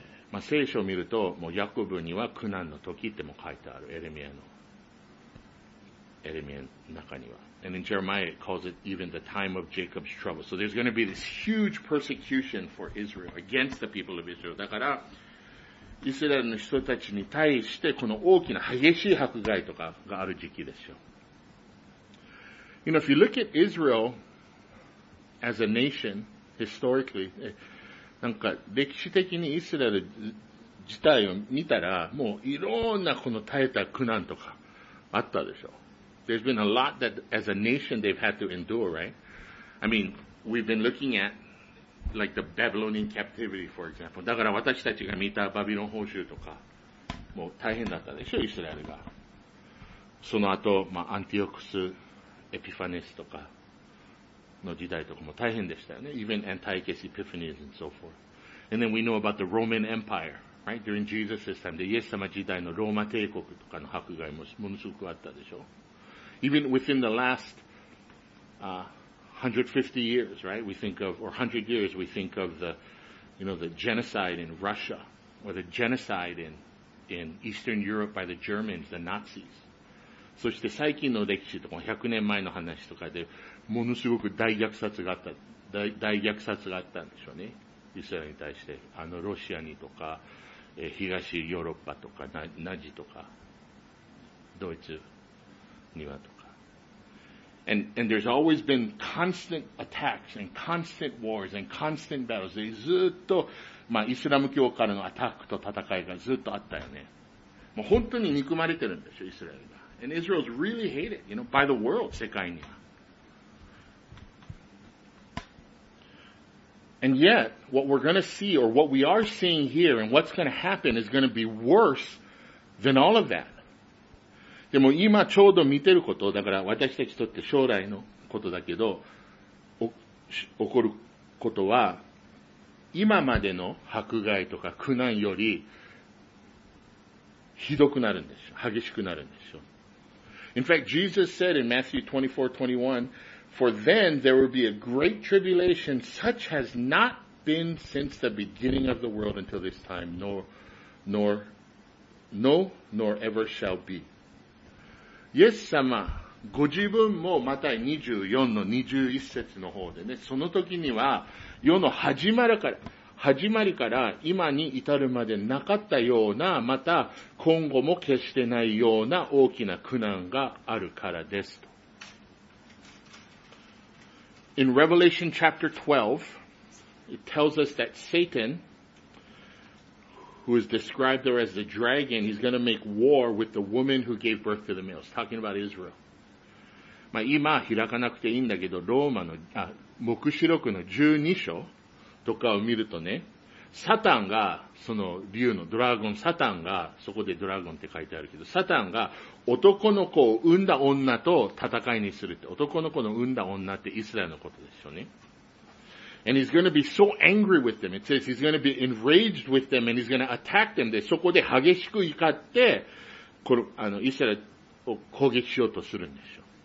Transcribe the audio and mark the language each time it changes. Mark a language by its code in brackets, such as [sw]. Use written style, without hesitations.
[ja] まあ、聖書を見ると、もうヤコブには苦難の時っても書いてある。エレミアの中には。 [en] And in Jeremiah it calls it even the time of Jacob's trouble. So there's going to be this huge persecution for Israel, against the people of Israel. [ja] だから、イスラエルの人たちに対してこの大きな激しい迫害とかがある時期ですよ。 [en] You know, if you look at Israel as a nation, historically, [ja] なんか歴史的にイスラエル自体を見たら、もういろんなこの耐えた苦難とかあったでしょ。 [en] There's been a lot that as a nation they've had to endure, right? I mean, we've been looking at like the Babylonian captivity, for example. [ja] だから私たちが見たバビロン捕囚とか、もう大変だったでしょ、イスラエルが。その後、まあ、アンティオクス、エピファネスとかの時代とかも大変でしたよね。 [en] Even Antiochus Epiphanes and so forth. And then we know about the Roman Empire, right? During Jesus' time, [ja] でイエス様時代のローマ帝国とかの迫害もものすごくあったでしょ。 [en] Even within the last 150 years, right? We think of, or 100 years, we think of the, you know, the genocide in Russia, or the genocide in Eastern Europe by the Germans, the Nazis. [ja] そして最近の歴史とか、100年前の話とかで、ものすごく大虐殺があったんでしょうね。イスラエルに対して。ロシアにとか、東ヨーロッパとか、ナジとか、ドイツ。 [en] And there's always been constant attacks and constant wars and constant battles. [ja] They ずっと、まあ、イスラム教からのアタックと戦いがずっとあったよね。もう本当に憎まれてるんでしょ、イスラエルが。 [en] And Israel's really hated, you know, by the world, [ja] 世界には。 [en] And yet, what we're going to see, or what we are seeing here, and what's going to happen is going to be worse than all of that. [ja] でも今ちょうど見てること、だから私たちにとって将来のことだけど、起こることは、今までの迫害とか苦難より、ひどくなるんですよ。激しくなるんですよ。 [en] In fact, Jesus said in Matthew 24:21, For then there will be a great tribulation such has not been since the beginning of the world until this time, nor ever shall be. [ja] イエス様、ご自分もマタイ24の21節の方でね、その時には、世の始まりから今に至るまでなかったような、また今後も決してないような大きな苦難があるからですと。 [en] In Revelation chapter 12, it tells us that Satan,who is described there as the dragon, he's going to make war with the woman who gave birth to the male. It's talking about Israel. [ja] まあ今開かなくていいんだけど、ローマの、黙示録の12章とかを見るとね、サタンが、その竜のドラゴン、サタンが、そこでドラゴンって書いてあるけど、サタンが男の子を産んだ女と戦いにするって、男の子の産んだ女ってイスラエルのことですよね。 [en] And he's going to be so angry with them. It says he's going to be enraged with them and he's going to attack them. [ja] で、そこで激しく怒って、イスラエルを攻撃しようとするんでしょ。